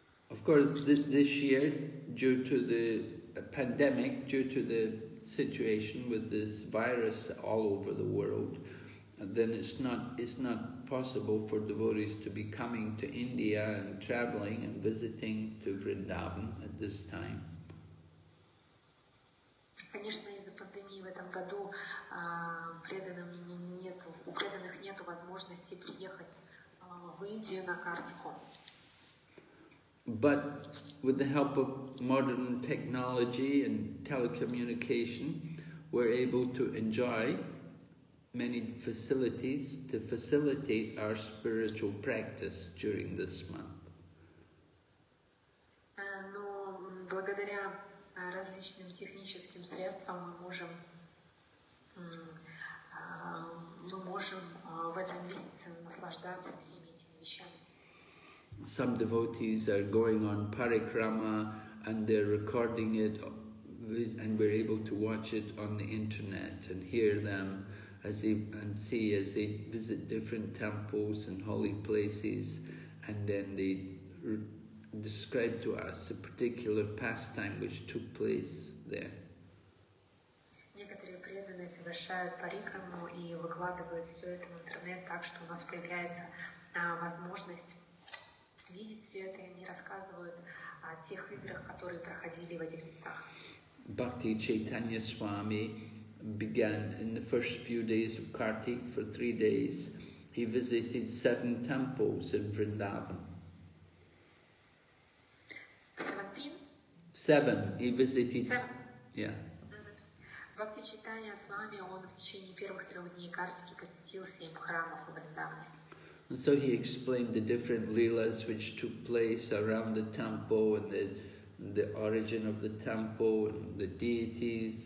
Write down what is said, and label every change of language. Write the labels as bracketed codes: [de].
[en] Of course, this year, due to the pandemic, due to the situation with this virus all over the world, then it's not possible for devotees to be coming to India and traveling and visiting to Vrindavan at this time. [ru] Конечно, из-за пандемии в этом году у преданных нет возможности приехать в Индию на Картику. [en] But with the help of modern technology and telecommunication, we're able to enjoy many facilities to facilitate our spiritual practice during this month. [ru] Но благодаря различным техническим средствам мы можем в этом месяце наслаждаться всеми этими вещами. [en] Some devotees are going on parikrama and they're recording it and we're able to watch it on the internet and hear them as they visit different temples and holy places, and then they describe to us a particular pastime which took place there. [ru] Некоторые преданные совершают парикраму и выкладывают все это в интернет, так что у нас появляется возможность видеть все это, и они рассказывают о тех играх, которые проходили в этих местах. [en] Бхакти Чайтанья Свами began in the first few days of Kartik for 3 days. He visited 7 temples in Vrindavan. 7. He visited. 7. Yeah. [ru] Бхакти Чайтанья Свами, он в течение первых 3 дней Картики посетил 7 храмов в Вриндаване. [en] And so he explained the different leelas which took place around the temple and the origin of the temple and the deities.